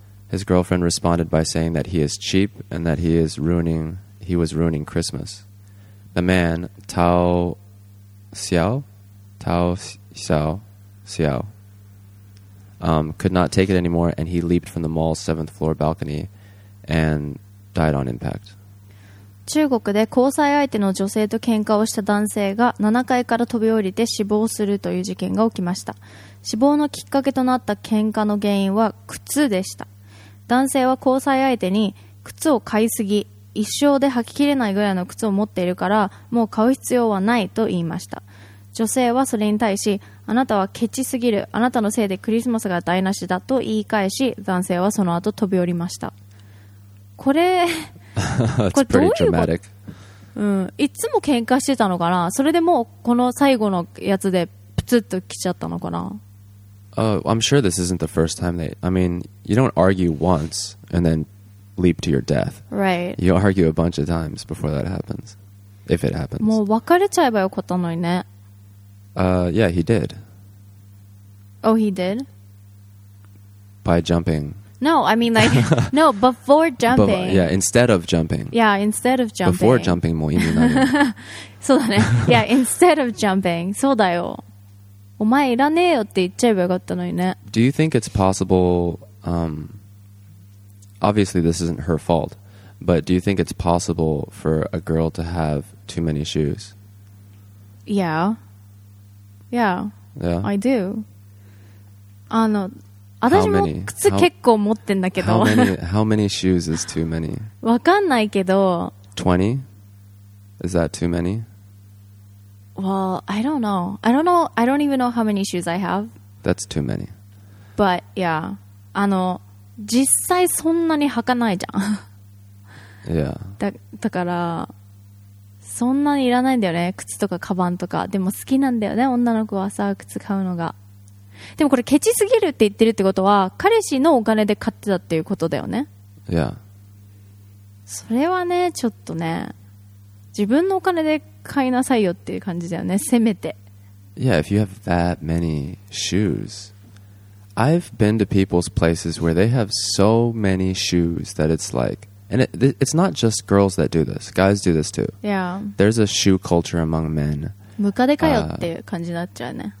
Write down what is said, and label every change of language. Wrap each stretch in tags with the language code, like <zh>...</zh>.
<en>His girlfriend responded by saying that he is cheap and that he was ruining Christmas. The man, Tao Xiao, could not take it anymore and he leaped from the mall's 7th-floor balcony and died on impact.</en> <ja>中国で交際相手の女性と喧嘩をした男性が7階から飛び降りて死亡するという事件が起きました。死亡のきっかけとなった喧嘩の原因は靴でした。男性は交際相手に靴を買いすぎ、一生で履ききれないぐらいの靴を持っているからもう買う必要はないと言いました。女性はそれに対し、あなたはケチすぎる、あなたのせいでクリスマスが台無しだと言い返し、男性はその後飛び降りました。これ…</ja> <en>It's pretty dramatic.</en> <ja>うん、いつも喧嘩してたのかな。それでもうこの最後のやつでプツッと来ちゃったのかな。</ja> <en>I'm sure this isn't the first time they. I mean, you don't argue once and then leap to your death. Right. You argue a bunch of times before that happens, if it happens.</en> <ja>もう別れちゃえばよかったのにね。</ja> <en>Yeah, he did. Oh, he did. by jumping. No, I mean like, no, before jumping. Yeah, instead of jumping. Yeah, instead of jumping. Before jumping</en> <ja>も意味ない。そうだね。</ja> <en>Yeah, instead of jumping.</en> <ja>そうだよ。お前いらねえよって言っちゃえばよかったのにね。</ja> <en>Do you think it's possible, obviously this isn't her fault, but do you think it's possible for a girl to have too many shoes? Yeah. Yeah. Yeah. I do.</en> <ja>あの、私も靴結構持ってんだけど。</ja> <en>How many shoes is too many?</en> <ja>わかんないけど。</ja> <en>20? Is that too many? Well, I don't know. I don't know. I don't even know how many shoes I have. That's too many. But, yeah.</en> <ja>あの、実際そんなに履かないじゃん。</ja> <en>Yeah.</en> <ja>だから、そんなにいらないんだよね。靴とかカバンとか。でも好きなんだよね。女の子はさ、靴買うのが。でもこれケチすぎるって言ってるってことは、彼氏のお金で買ってたっていうことだよね。</ja> <en>Yeah.</en> <ja>それはね、ちょっとね、自分のお金で買いなさいよっていう感じだよね、せめて。</ja> <en>Yeah, if you have that many shoes. I've been to people's places where they have so many shoes that it's like, and it's not just girls that do this, guys do this too. Yeah. There's a shoe culture among men.</en> <ja>ムカデかよっていう感じになっちゃうね。</ja>